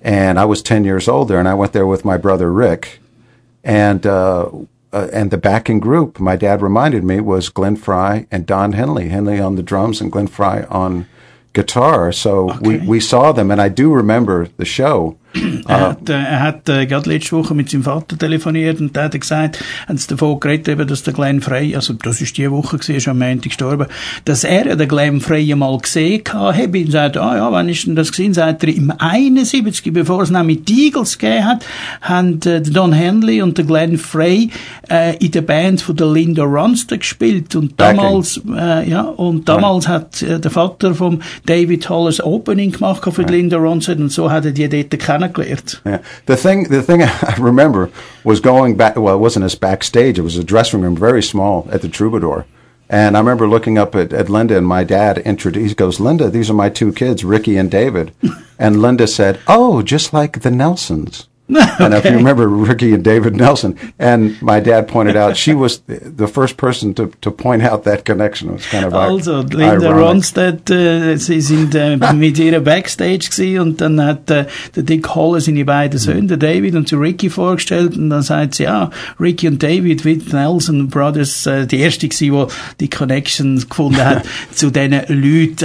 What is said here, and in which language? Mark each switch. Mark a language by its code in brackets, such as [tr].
[en] And I was 10 years old there, and I went there with my brother Rick. And the backing group, my dad reminded me, was Glenn Frey and Don Henley. Henley on the drums and Glenn Frey on guitar. We saw them, and I do remember the show. [de] Er hat gerade letzte Woche mit seinem Vater telefoniert und der hat gesagt, haben sie davon geredet, eben, dass der Glenn Frey, also das ist die Woche gewesen, ist am Montag gestorben, dass er ja den Glenn Frey mal gesehen hat. Und sagt, ah ja, wann ist denn das gewesen? Sagt er, im 71, bevor es nämlich die Eagles gegeben hat, haben Don Henley und der Glenn Frey in der Band von der Linda Ronstadt gespielt. Und damals, hat der Vater vom David Haller das Opening gemacht für die Linda Ronstadt und so hat er die dort kennengelernt. [en] Yeah. The thing I remember was going back, well, it wasn't as backstage, it was a dressing room, very small, at the Troubadour. And I remember looking up at Linda and my dad introduced, he goes, Linda, these are my two kids, Ricky and David. And Linda said, oh, just like the Nelsons. Okay. And if you remember Ricky and David Nelson, and my dad pointed out, she was the first person to point out that connection. It was kind of [de] also, [en] ironic. [de] Linda Ronstadt, sie sind mit ihr backstage gsi und dann hat der Dick Holler seine beiden Söhne, der David, und zu Ricky vorgestellt und dann sagt sie, ja, Ricky und David with Nelson Brothers, die erste gsi, wo die Connection gefunden hat zu diesen Leuten.